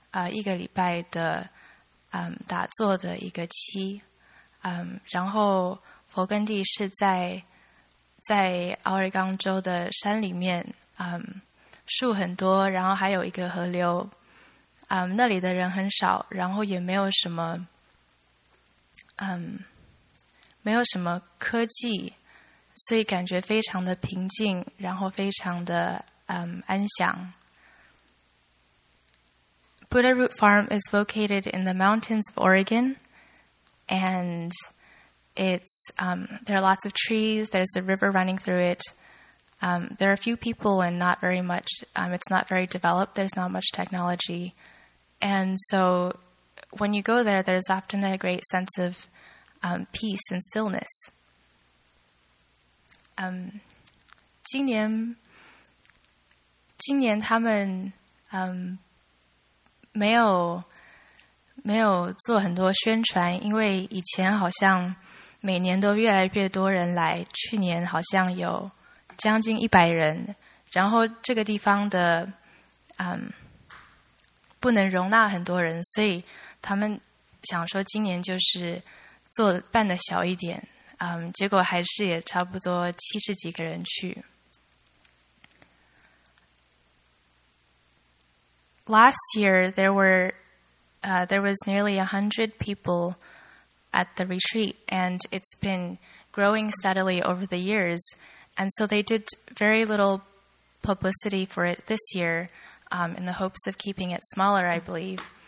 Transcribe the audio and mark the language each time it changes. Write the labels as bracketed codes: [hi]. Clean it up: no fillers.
[zh] 一个礼拜的打坐的一个期，然后佛根地是在奥瑞冈州的山里面，树很多，然后还有一个河流，那里的人很少，然后也没有什么，没有什么科技，所以感觉非常的平静，然后非常的安详。 [en] Buddha Root Farm is located in the mountains of Oregon, and it's, there are lots of trees, there's a river running through it. There are a few people and not very much, it's not very developed, there's not much technology. And so when you go there, there's often a great sense of peace and stillness. [zh] 今年他们没有做很多宣传，因为以前好像每年都越来越多人来，去年好像有将近100人，然后这个地方的不能容纳很多人，所以他们想说今年就是做办的小一点，结果还是也差不多70几个人去。 [en] Last year, there was nearly 100 people at the retreat, and it's been growing steadily over the years. And so they did very little publicity for it this year, in the hopes of keeping it smaller, I believe.